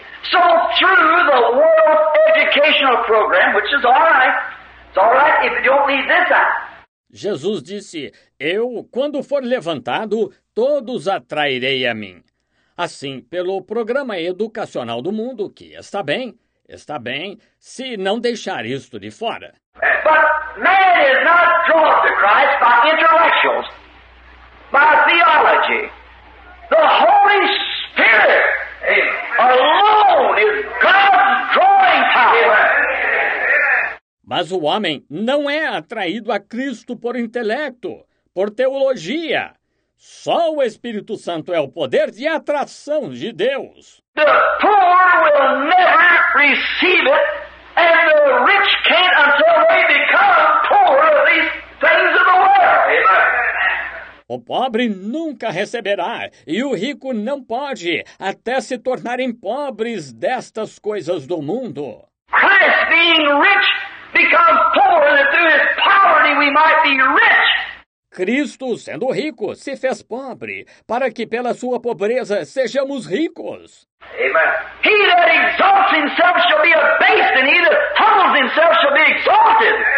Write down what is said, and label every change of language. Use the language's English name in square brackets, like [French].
[English] So through the world educational program, which is all right. It's all right if you don't leave this out. [Portuguese] Jesus disse, eu, quando for levantado, todos atrairei a mim. Assim, pelo programa educacional do mundo, que está bem, se não deixar isto de fora. [English] But man is not drawn to Christ by intellectuals, by theology. The Holy Spirit alone is God's drawing power. [Portuguese] Mas o homem não é atraído a Cristo por intelecto, por teologia. Só o Espírito Santo é o poder de atração de Deus. [English] The poor will never receive it, and the rich can't until they become poor of these things of the world. Amen. [Portuguese] O pobre nunca receberá, e o rico não pode, até se tornarem pobres destas coisas do mundo. [English] Christ being rich becomes poor, that through his poverty we might be rich. [Portuguese] Cristo, sendo rico, se fez pobre, para que pela sua pobreza sejamos ricos. [English] Amen. He that exalts himself shall be abased, and he that humbles himself shall be exalted.